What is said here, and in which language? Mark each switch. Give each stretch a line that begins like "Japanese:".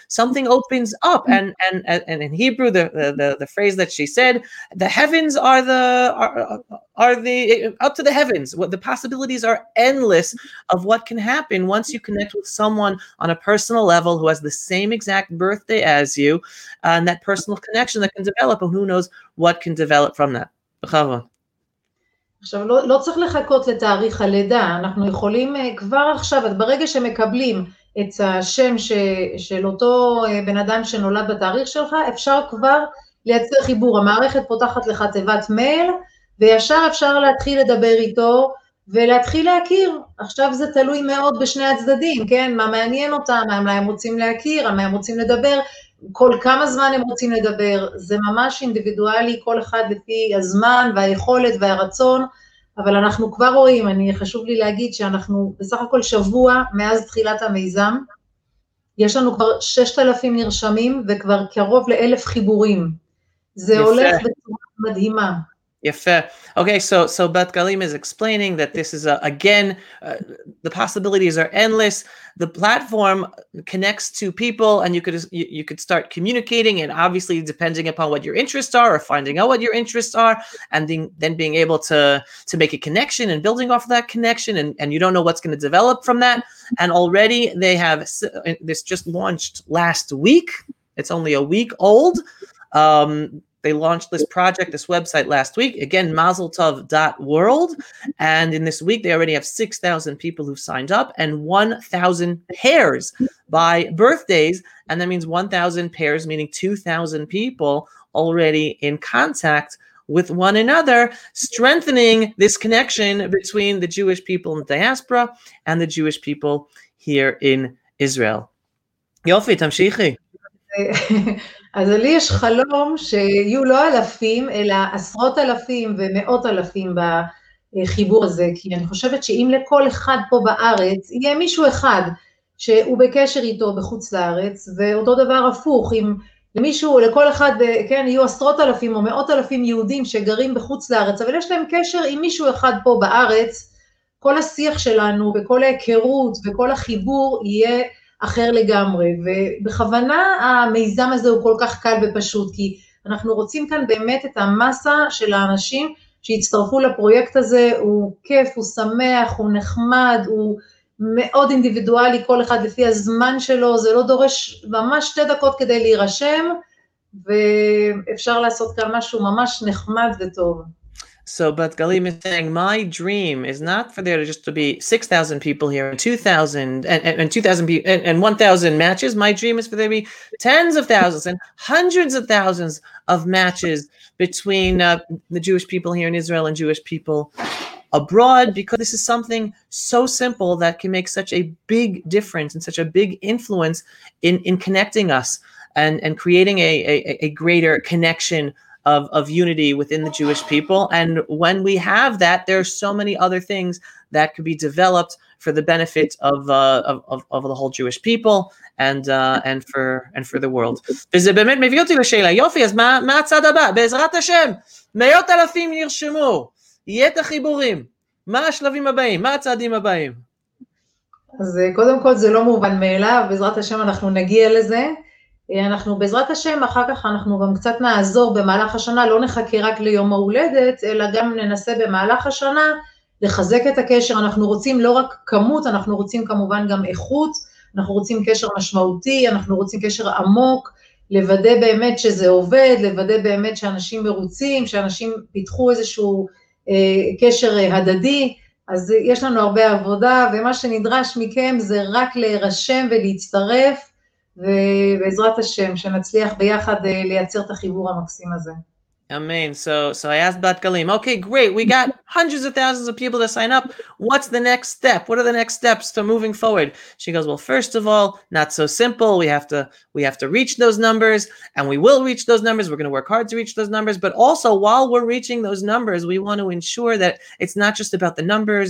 English: Something opens up, and in Hebrew, the phrase that she said, the heavens are up to the heavens. What the possibilities are endless of what can happen once you connect with someone on a personal level who has the same exact birthday as you, and that personal connection that can develop, and who knows what can develop from that.
Hebrew: בכבוד. עכשיו, לא צריך לחכות לתאריך הלידה. אנחנו יכולים כבר עכשיו, ברגע שמקבלים את השם של אותו בן אדם שנולד בתאריך שלך, אפשר כבר לייצר חיבור. המערכת פותחת לך תיבת מייל, וישר אפשר להתחיל לדבר איתו ולהתחיל להכיר. עכשיו זה תלוי מאוד בשני הצדדים, כן? מה מעניין אותם, מה הם רוצים להכיר, מה הם רוצים לדבר, כל כמה זמן הם רוצים לדבר. זה ממש אינדיבידואלי, כל אחד לפי הזמן והיכולת והרצון, אבל אנחנו כבר רואים, חשוב לי להגיד שאנחנו בסך הכל שבוע מאז תחילת המיזם, יש לנו כבר 6,000 נרשמים וכבר קרוב ל-1,000 חיבורים. זה הולך בצורה מדהימה. Yeah.
English: Okay, so Beth Galim is explaining that this is the possibilities are endless. The platform connects to people, and you could start communicating, and obviously depending upon what your interests are or finding out what your interests are, and then being able to make a connection and building off of that connection, and you don't know what's going to develop from that. And already they have this just launched last week. It's only a week old. They launched this project, this website last week. Again, mazeltov.world. And in this week, they already have 6,000 people who've signed up and 1,000 pairs by birthdays. And that means 1,000 pairs, meaning 2,000 people already in contact with one another, strengthening this connection between the Jewish people in the diaspora and the Jewish people here in Israel.
Hebrew: Yofi, tamshichi. אז לי יש חלום שיהיו לא אלפים, אלא עשרות אלפים ומאות אלפים בחיבור הזה, כי אני חושבת שאם לכל אחד פה בארץ, יהיה מישהו אחד שהוא בקשר איתו בחוץ לארץ, ואותו דבר הפוך, אם למישהו, לכל אחד, כן, יהיו עשרות אלפים או מאות אלפים יהודים שגרים בחוץ לארץ, אבל יש להם קשר עם מישהו אחד פה בארץ, כל השיח שלנו וכל ההיכרות וכל החיבור יהיה אחר לגמרי, ובכוונה המיזם הזה הוא כל כך קל ופשוט, כי אנחנו רוצים כאן באמת את המסה של האנשים שיצטרפו לפרויקט הזה, הוא כיף, הוא שמח, הוא נחמד, הוא מאוד אינדיבידואלי, כל אחד לפי הזמן שלו, זה לא דורש ממש 2 דקות כדי להירשם, ואפשר לעשות כאן משהו ממש נחמד וטוב.
English: So, but Galim is saying, my dream is not for there just to be 6,000 people here and 2,000 and 2,000 and 1,000 matches. My dream is for there to be tens of thousands and hundreds of thousands of matches between the Jewish people here in Israel and Jewish people abroad, because this is something so simple that can make such a big difference and such a big influence in connecting us and creating a greater connection of unity within the Jewish people. And when we have that, there are so many other things that could be developed for the benefit of the whole Jewish people and for the world.
Hebrew: וזה באמת מביא אותי לשאלה, יופי, אז מה הצד הבא? בעזרת השם, מאות אלפים נרשמו, יהיה את החיבורים, מה השלבים הבאים, מה הצעדים הבאים? אז קודם כל זה לא מובן מאליו, בעזרת השם אנחנו נגיע לזה, אנחנו בעזרת השם, אחר כך אנחנו גם קצת נעזור במהלך השנה, לא נחכה רק ליום ההולדת, אלא גם ננסה במהלך השנה לחזק את הקשר. אנחנו רוצים לא רק כמות, אנחנו רוצים כמובן גם איכות, אנחנו רוצים קשר משמעותי, אנחנו רוצים קשר עמוק, לוודא באמת שזה עובד, לוודא באמת שאנשים מרוצים, שאנשים פיתחו איזשהו קשר הדדי. אז יש לנו הרבה עבודה, ומה שנדרש מכם זה רק להירשם ולהצטרף, ובעזרת השם שנצליח ביחד לייצר את החיבור המקסים הזה.
English: Amen. So I asked Bat Galim, okay, great. We got hundreds of thousands of people to sign up. What's the next step? What are the next steps to moving forward? She goes, well, first of all, not so simple. We have to reach those numbers, and we will reach those numbers. We're going to work hard to reach those numbers. But also, while we're reaching those numbers, we want to ensure that it's not just about the numbers.